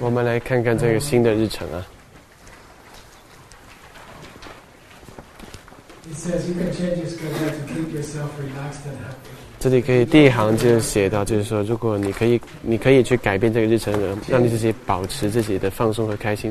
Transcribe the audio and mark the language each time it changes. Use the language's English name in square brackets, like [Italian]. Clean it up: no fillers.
[Chinese] 我们来看看这个新的日程啊。 [English] It says you can change your schedule to keep yourself relaxed and happy. [Chinese] 这里可以第一行就写到，就是说，如果你可以去改变这个日程，让你自己保持自己的放松和开心。